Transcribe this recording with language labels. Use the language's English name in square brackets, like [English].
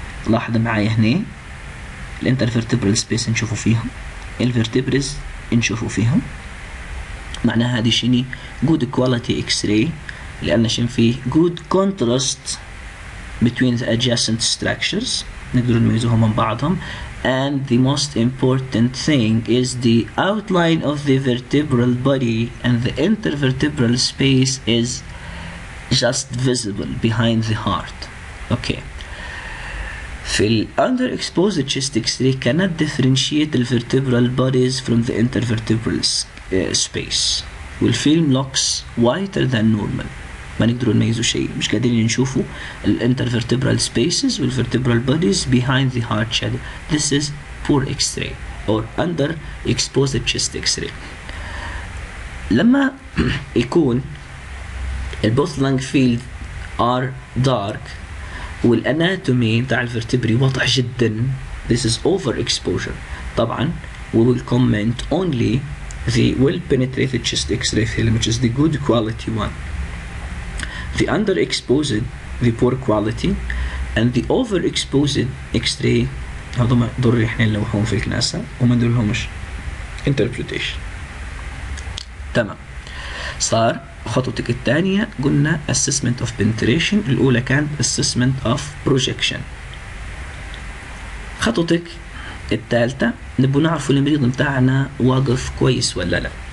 [Arabic] لاحظ معايا هنا الانتر فيرتيبرال سبيس نشوفوا فيهم، الفيرتيبرز نشوفوا فيهم، معناها هذه شني جود كواليتي اكس راي، لأن شن فيه [English] good contrast between the adjacent structures، [Arabic] نقدر نميزهم من بعضهم. [English] And the most important thing is the outline of the vertebral body and the intervertebral space is just visible behind the heart. Okay. في ال underexposed chest X-ray cannot differentiate the vertebral bodies from the intervertebral space. والفيلم looks whiter than normal. [Arabic] ما نقدروا نميزوا شيء، مش قادرين نشوفوا [English] الانتر فيرتيبرال سبيسز والفيرتيبرال bodies behind the heart shadow. This is poor X-ray or under exposed chest X-ray. [Arabic] لما يكون [English] البوث lung field are dark والاناتومي بتاع الفيرتبري [Arabic] واضح جدا، [English] This is over exposure. طبعا we will comment only the well penetrated chest X-ray film which is the good quality one. The underexposed, the poor quality, and the overexposed X-ray. [Arabic] هذوما دور إحنا اللي وحون في الكناسة وما دورهمش interpretation. تمام. صار خطوتك الثانية قلنا [English] assessment of penetration. [Arabic] الأولى كانت [English] assessment of projection. [Arabic] خطوتك الثالثة نبغى نعرف المريض متاعنا واقف كويس ولا لا.